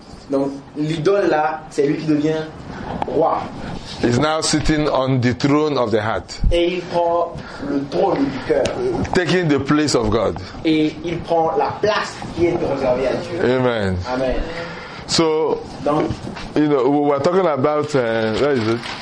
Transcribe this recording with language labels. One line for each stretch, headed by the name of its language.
French: Donc l'idole là, c'est lui qui devient roi.
English: Is now sitting on the throne of the heart.
French: Et il prend le trône du cœur.
English: Taking the place of God.
French: Et il prend la place qui est réservée à Dieu.
English: Amen. Amen. So,
French: donc,
English: you know, we were talking about where is it?